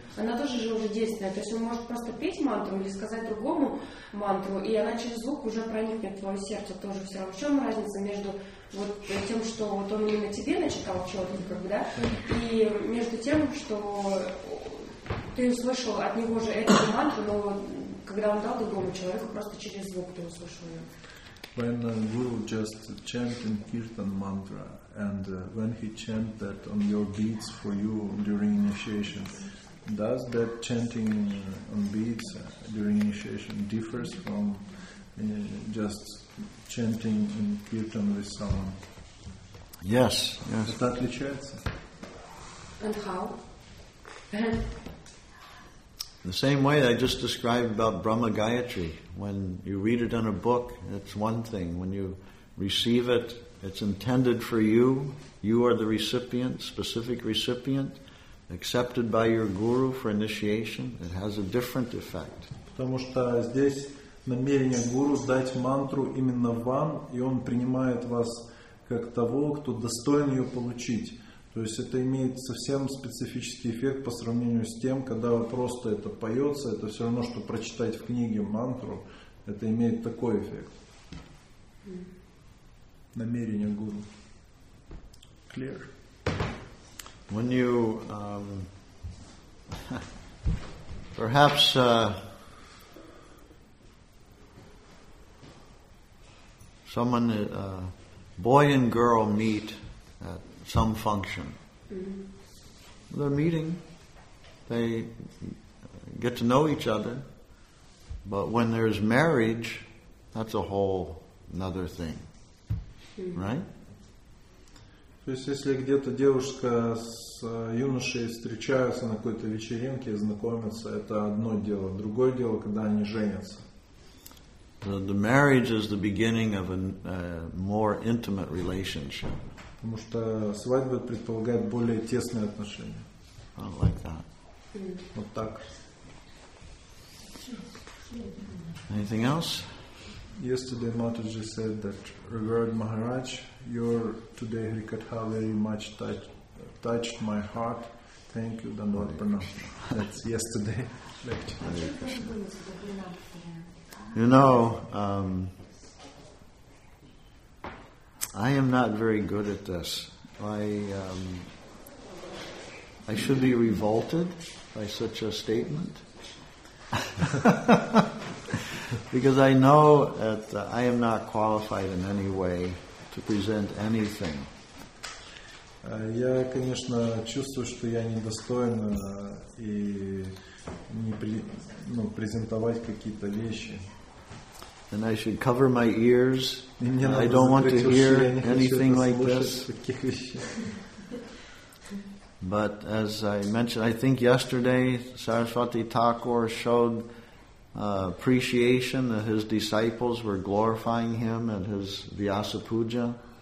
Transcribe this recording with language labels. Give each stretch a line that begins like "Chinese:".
Russian: Она тоже же уже действенная, то есть он может просто петь мантру или сказать другому мантру, и она через звук уже проникнет в твое сердце тоже все равно. В чем разница между вот тем, что вот он именно тебе начитал четку, как, да, и между тем, что ты услышал от него же эту мантру, но когда он дал другому человеку, просто через звук ты услышал его.
English: When a guru just chanting kirtan mantra, and when he chant that on your beads for you during initiation, does that chanting on beads during initiation differs from just chanting in kirtan with someone? Yes, yes. It
Russian: отличается.
English: And how? The same way I just described about Brahma Gayatri. When you read it in a book, it's one thing. When you receive it, it's intended for you. You are the recipient, specific recipient, accepted by your guru for initiation. It has a different effect.
Russian: Потому что здесь намерение гуру дать мантру именно вам, и он принимает вас как того, кто достоин ее получить. То есть это имеет совсем специфический эффект по сравнению с тем, когда просто это поется, это все равно, что прочитать в книге мантру, это имеет такой эффект. Намерение гуру.
English: Clear. When you perhaps someone boy and girl meet at some function. Mm-hmm. They're meeting. They get to know each other. But when there's marriage, that's a whole another thing. Mm-hmm. Right?
Russian: То есть, если где-то девушка с юношей встречаются на какой-то вечеринке и знакомятся, это одно дело. Другое дело, когда они женятся.
English: The marriage is the beginning of a more intimate relationship.
Russian: Потому что свадьба предполагает более тесные отношения.
English: I don't like that. Mm.
Russian: Вот так.
English: Anything else? Yesterday Mataji said that Revered Maharaj, your today Harikatha very much touched my heart. Thank you, Dandavat Pranam. That's yesterday. You know, I am not very good at this. I should be revolted by such a statement. Because I know that I am not qualified in any way to present anything.
Russian: Я, конечно, чувствую, что я недостоин и не презентовать какие-то вещи.
English: And I should cover my ears. I don't want to hear anything like this. But as I mentioned, I think yesterday Saraswati Thakur showed appreciation that his disciples were glorifying him at his Vyasa Puja.